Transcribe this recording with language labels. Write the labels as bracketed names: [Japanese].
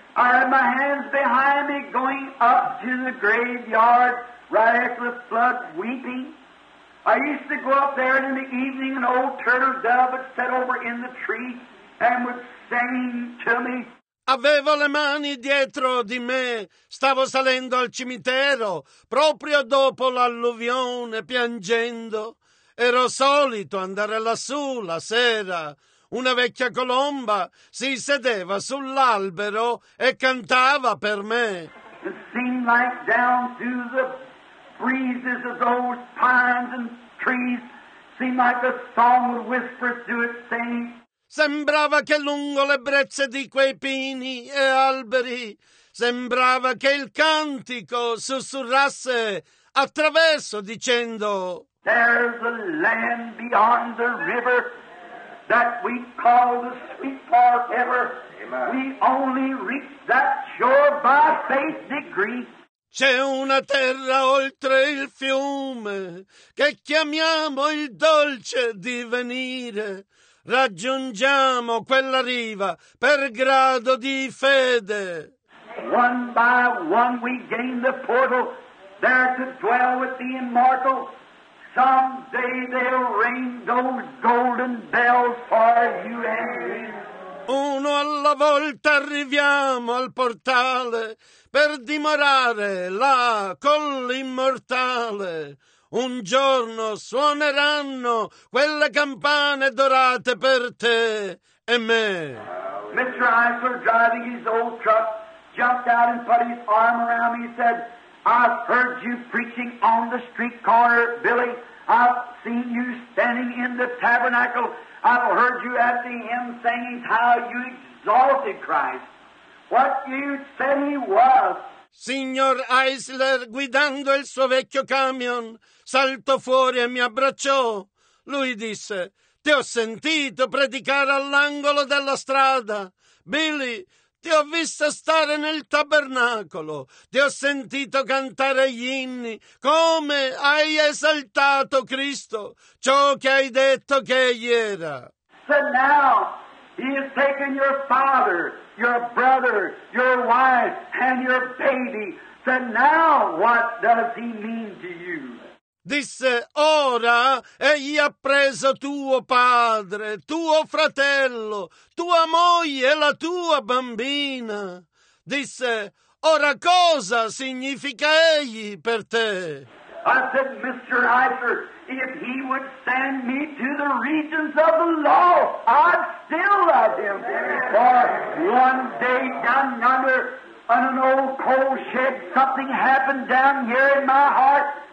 [English] I had my hands behind me going up to the graveyard right after the flood, weeping. I used to go up there, and in the evening an old turtle dove would sit over in the tree and would sing to me. [Italian] Avevo le mani dietro di me, stavo salendo al cimitero, proprio dopo l'alluvione, piangendo. Ero solito andare lassù la sera. Una vecchia colomba si sedeva sull'albero e cantava per me. [English] It seemed like down through the breezes of those pines and trees, seemed like a song would whisper through it saying. [Italian] Sembrava che lungo le brezze di quei pini e alberi, sembrava che il cantico sussurrasse attraverso dicendo: [English] There's a land beyond the river that we call the sweet forever. We only reach that shore by faith degree. [Italian] C'è una terra oltre il fiume che chiamiamo il dolce divenire. Raggiungiamo quella riva per grado di fede. [English] One by one we gain the portal there to dwell with the immortal. Someday they'll ring those golden bells for you and me. [Italian] Uno alla volta arriviamo al portale per dimorare là con l'immortale. Un giorno suoneranno quelle campane dorate per te e me. [English] Mr. Eisler, driving his old truck, jumped out and put his arm around me. He said, I've heard you preaching on the street corner, Billy. I've seen you standing in the tabernacle. I've heard you at the hymn singing how you exalted Christ. What you said he was. [Italian] Signor Eisler, guidando il suo vecchio camion, saltò fuori e mi abbracciò. Lui disse, ti ho sentito predicare all'angolo della strada. Billy, ti ho visto stare nel tabernacolo. Ti ho sentito cantare gli inni. Come hai esaltato Cristo, ciò che hai detto che egli era. [English] So now, he has taken your father, your brother, your wife, and your baby. So now, what does he mean to you? [Italian] Disse, ora egli ha preso tuo padre, tuo fratello, tua moglie e la tua bambina. Disse, ora cosa significa egli per te? [English] I said, Mr. Eisler, if he would send me to the regions of the law, I'd still love him. For one day down yonder, on an old coal shed, something happened down here in my heart.